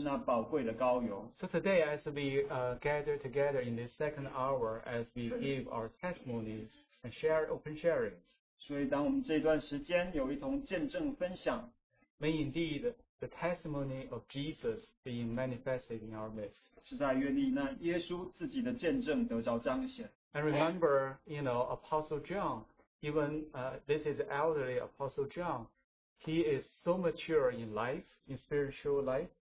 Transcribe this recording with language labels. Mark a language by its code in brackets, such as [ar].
[en] So today, as we gather together in this second hour, as we give our testimonies and share open sharings, [zh] 所以当我们这段时间有一同见证分享, [en] may indeed the testimony of Jesus be manifested in our midst. [zh] 是在愿意那耶稣自己的见证得着彰显。 [en] And remember, you know, Apostle John, even this is elderly Apostle John, he is so mature in life, in spiritual life.